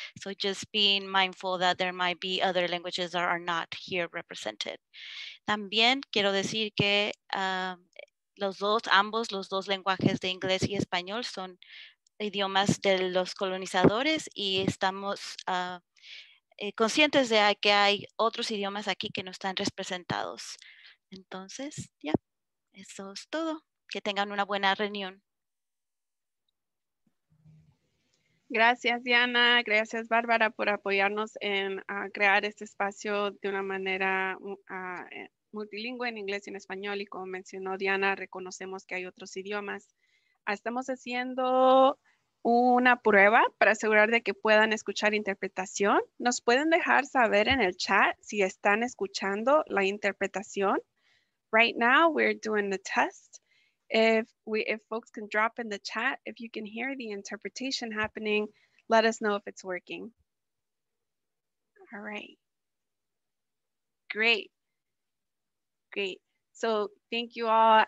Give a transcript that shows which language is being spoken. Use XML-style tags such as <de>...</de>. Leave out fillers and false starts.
<en>So just being mindful that there might be other languages that are not here represented.</en> <es>También quiero decir que los dos lenguajes de inglés y español son idiomas de los colonizadores y estamos conscientes de que hay otros idiomas aquí que no están representados. Entonces, ya, yeah, eso es todo. Que tengan una buena reunión. Gracias, Diana. Gracias, Bárbara, por apoyarnos en crear este espacio de una manera multilingüe en inglés y en español. Y como mencionó Diana, reconocemos que hay otros idiomas. estamos haciendo una prueba para asegurar de que puedan escuchar interpretación. Nos pueden dejar saber en el chat si están escuchando la interpretación.</es> <en>Right now we're doing the test. If folks can drop in the chat, if you can hear the interpretation happening, let us know if it's working. All right. Great. Great. So thank you all.</en>